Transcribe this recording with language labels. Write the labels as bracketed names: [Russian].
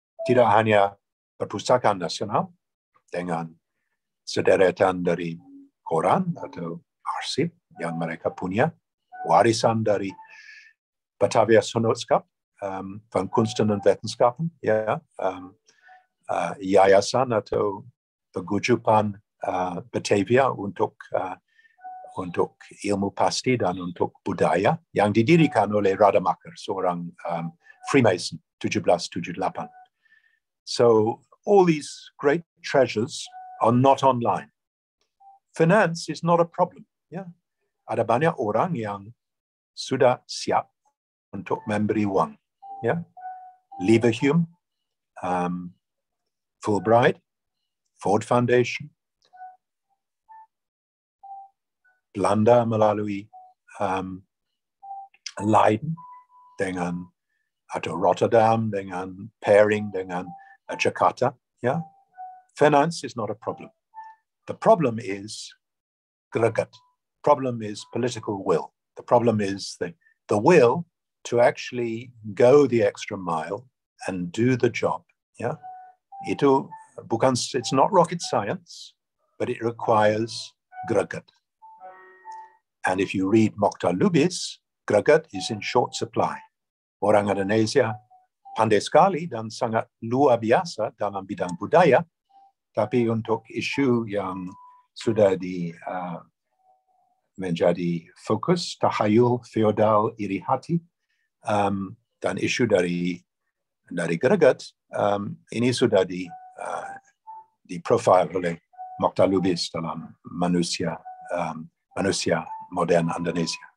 [Indonesian] Tidak hanya Perpustakaan Nasional dengan sederetan dari koran atau arsip yang mereka punya, warisan dari Batavia Sonotskap, Van Kunsten and Wetenskapen, ya, yayasan atau pegujupan Batavia untuk ilmu pasti dan untuk budaya yang didirikan oleh Rademacher, seorang Freemason, 1778. [English] So, all these great treasures are not online. Finance is not a problem. [Indonesian] Yeah, ada banyak orang yang sudah siap untuk memberi uang. Yeah, Lieber Hume, Fulbright, Ford Foundation, Belanda melalui Leiden dengan atau Rotterdam dengan pairing dengan Jakarta. [English] Yeah, finance is not a problem. The problem is greget. Problem is political will. The problem is the will to actually go the extra mile and do the job. Yeah, [Indonesian] itu bukan, [English] it's not rocket science, but it requires greget. And if you read Mokhtar Lubis, greget is in short supply. [Indonesian] Orang Indonesia pandai sekali dan sangat luar biasa dalam bidang budaya, tapi untuk isu yang sudah di menjadi fokus tahayul feodal iri hati dan isu dari greget ini sudah di profile oleh Mokhtar Lubis dalam manusia modern Indonesia.